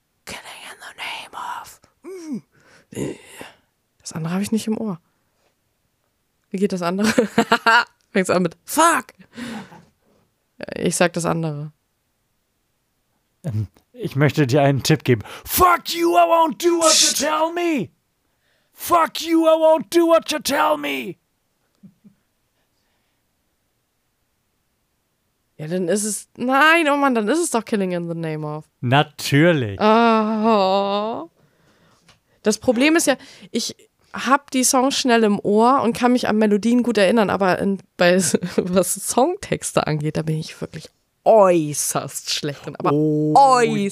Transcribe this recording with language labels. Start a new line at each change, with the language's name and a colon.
English: Killing in the Name of.
German: Das andere habe ich nicht im Ohr. Wie geht das andere? Fängt's an mit Fuck. Ich sag das andere. Ich möchte dir einen Tipp geben.
English: Fuck you, I won't do what you tell me. Fuck you, I won't do what you tell me.
German: Ja, dann ist es, nein, oh Mann, dann ist es doch Killing in the Name of. Natürlich. Oh. Das Problem ist ja, ich habe die Songs schnell im Ohr und kann mich an Melodien gut erinnern, aber was Songtexte angeht, da bin ich wirklich äußerst schlecht drin, aber äußerst.